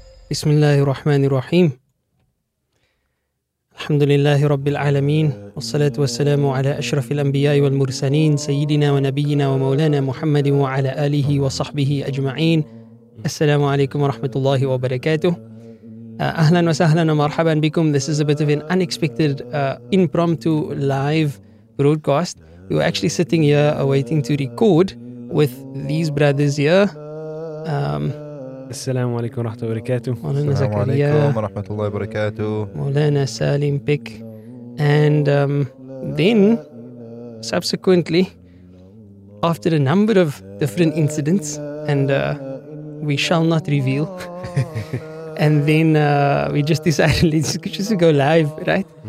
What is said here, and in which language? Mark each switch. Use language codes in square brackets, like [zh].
[ar] بسم الله الرحمن الرحيم الحمد لله رب العالمين والصلاة والسلام على أشرف الأنبياء والمرسلين سيدنا ونبينا ومولانا محمد وعلى آله وصحبه أجمعين السلام عليكم ورحمة الله وبركاته أهلا وسهلا ومرحبا بكم. [en] This is a bit of an unexpected impromptu live broadcast. We were actually sitting here waiting to record with these brothers here. [ar] السلام عليكم ورحمة الله وبركاته. مولانا زكريا. السلام عليكم ورحمة الله وبركاته. مولانا سالم بيك. [en] And then, subsequently, after a number of different incidents, and we shall not reveal, and then we just decided let's go live, right?